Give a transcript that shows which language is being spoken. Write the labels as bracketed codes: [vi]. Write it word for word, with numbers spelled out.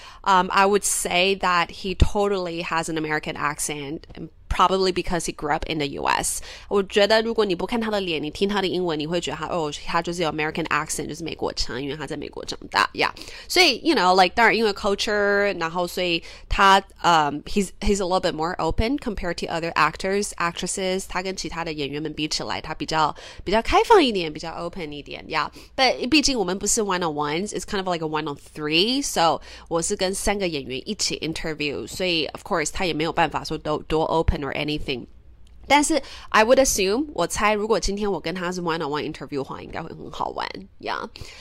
[en] Um, I would say that he totally has an American accent, probably because he grew up in the U S. [zh] 我觉得如果你不看他的脸，你听他的英文，你会觉得他哦，他就是有 American accent， 就是美国腔，因为他在美国长大呀。 [en] Yeah. 所以 you know, like [zh] 当然因为 [en] culture， 然后所以他呃、um, he's he's a little bit more open compared to other actors actresses. [zh] 他跟其他的演员们比起来，他比较比较开放一点，比较 open 一点呀。 [en] Yeah. But [zh] 毕竟我们不是 [en] one on ones, it's kind of like a one on three. [zh] So 我是跟三个演员一起 interview， 所以 of course 他也没有办法说多多 open。 [en] Or anything. [zh] 但是 [en] I would assume [zh] 我猜如果今天我跟他是 one on one interview 的话应该会很好玩呀、yeah.